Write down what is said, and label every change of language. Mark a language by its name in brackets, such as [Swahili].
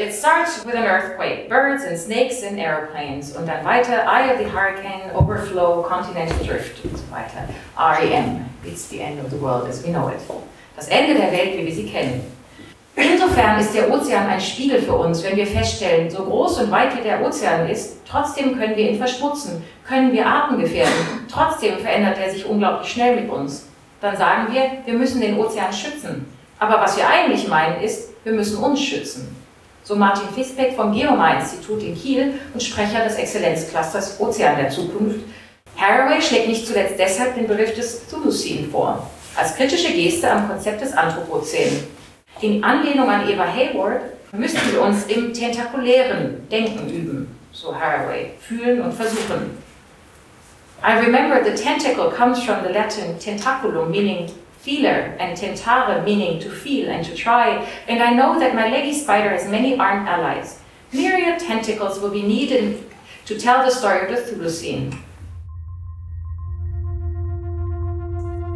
[English] It starts with an earthquake, birds and snakes and aeroplanes. [German] Und dann weiter, Eye of the Hurricane, Overflow, Continental Drift und so weiter. R.E.M. [English] It's the end of the world as we know it. [German] Das Ende der Welt, wie wir sie kennen. Insofern ist der Ozean ein Spiegel für uns, wenn wir feststellen, so groß und weit wie der Ozean ist, trotzdem können wir ihn verschmutzen, können wir Arten gefährden, trotzdem verändert er sich unglaublich schnell mit uns. Dann sagen wir müssen den Ozean schützen. Aber was wir eigentlich meinen ist, wir müssen uns schützen. So Martin Fisbeck vom Geomar-Institut in Kiel und Sprecher des Exzellenzclusters Ozean der Zukunft. Haraway schlägt nicht zuletzt deshalb den Begriff des Thulucin vor, als kritische Geste am Konzept des Anthropozän. In Anlehnung an Eva Hayward müssen wir uns im tentakulären Denken üben, so Haraway, fühlen und versuchen. [English] I remember the tentacle comes from the Latin tentaculum, meaning feeler, and tentare, meaning to feel and to try, and I know that my leggy spider has many armed allies. Myriad tentacles will be needed to tell the story of the Thulucine.